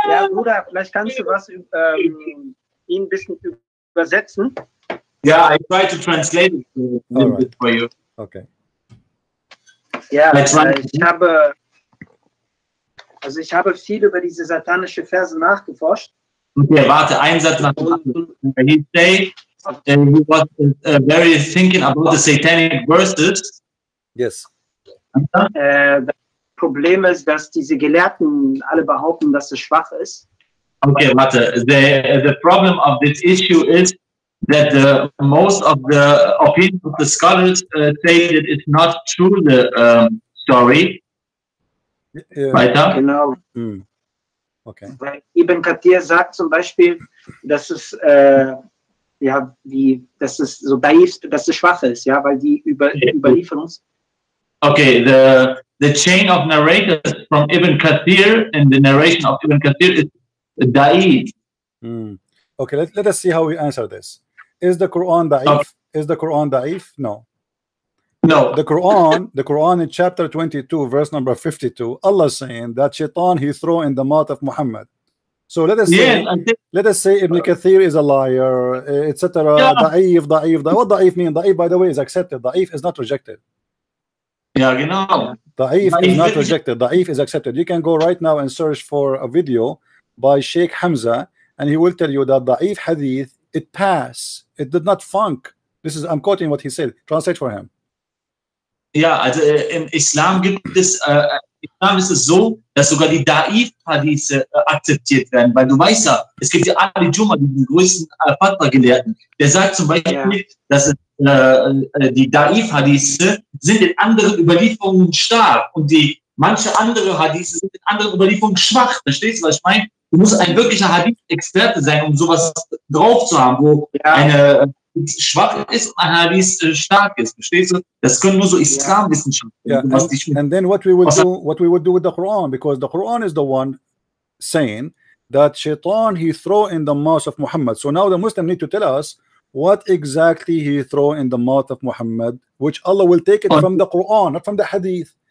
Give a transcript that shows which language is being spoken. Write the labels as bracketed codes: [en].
[de] Bruder, vielleicht kannst du was ihn ein bisschen übersetzen. [en] Yeah, I try to translate it a little bit for you. Okay. [de] Yeah, ich habe viel über diese satanische Verse nachgeforscht. Okay, warte, ein Satz nach dem anderen. [en] He said he was very thinking about the satanic verses. Yes. [de] Das Problem ist, dass diese Gelehrten alle behaupten, dass es schwach ist. Okay, warte. [en] The problem of this issue is that the most of the opinion of the scholars say that it's not true, the story. Yeah. [de] Weiter? Genau. Mm. Okay. Weil Ibn Kathir sagt zum Beispiel, dass es dass es so daif, dass es schwach ist, ja, weil die Überlieferung. [en] Okay, the chain of narrators from Ibn Kathir and the narration of Ibn Kathir is daif. Mm. Okay, let us see how we answer this. Is the Quran daif? Okay. Is the Quran daif? No. No, the Quran in chapter 22, verse number 52, Allah saying that shaitan he throw in the mouth of Muhammad. So let us say Ibn Kathir is a liar, etc. Yeah. Da'if, da'if, da'if. What da'if mean? Da'if, by the way, is accepted. Da'if is not rejected. Yeah, you know. Da'if is not rejected. Da'if is accepted. You can go right now and search for a video by Sheikh Hamza, and he will tell you that da'if hadith, it passed. It did not funk. This is, I'm quoting what he said. Translate for him. [de] Ja, also im Islam gibt es Islam ist es so, dass sogar die Da'if-Hadithe akzeptiert werden, weil du weißt ja, es gibt ja Ali Juma, den größten Fatwa-Gelehrten, der sagt zum Beispiel, dass die Da'if-Hadithe sind in anderen Überlieferungen stark und die manche andere Hadithe sind in anderen Überlieferungen schwach. Verstehst du, was ich meine? Du musst ein wirklicher Hadith-Experte sein, um sowas drauf zu haben, wo eine schwach ist und ein Hadith stark ist. Verstehst du? Das können nur so Islamwissenschaftler. [en] And then what we would do with the Quran, because the Quran is the one saying that Shaitan he throw in the mouth of Muhammad. So now the Muslim need to tell us what exactly he throw in the mouth of Muhammad, which Allah will take it from the Quran, not from the Hadith.